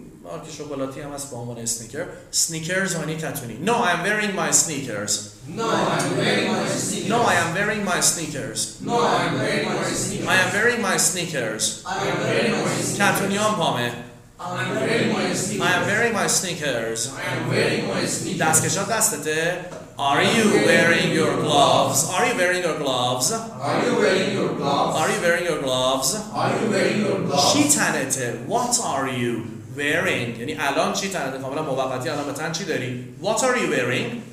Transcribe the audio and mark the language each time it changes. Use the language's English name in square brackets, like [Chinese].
[Persian] آرکی شکلاتی هم هست با عنوان سنیکر. سنیکرز یعنی کتونی. [English] No, I am wearing my sneakers. No, I am wearing my sneakers. No, I am wearing my sneakers. No, I am wearing my sneakers. I am wearing my sneakers. I am wearing my sneakers. [Persian] کتونی هم پامه. [English] I'm wearing my sneakers. I'm wearing my sneakers. [Persian] دستکشات دستته. [English] Are you wearing your gloves? Are you wearing your gloves? Are you wearing your gloves? Are you wearing your gloves? Are you wearing your gloves? [Persian] چی تنته؟ [English] What are you wearing? [Persian] یعنی الان چی تنته؟ کاملا موقتی الان به تن چی داری؟ [English] What are you wearing?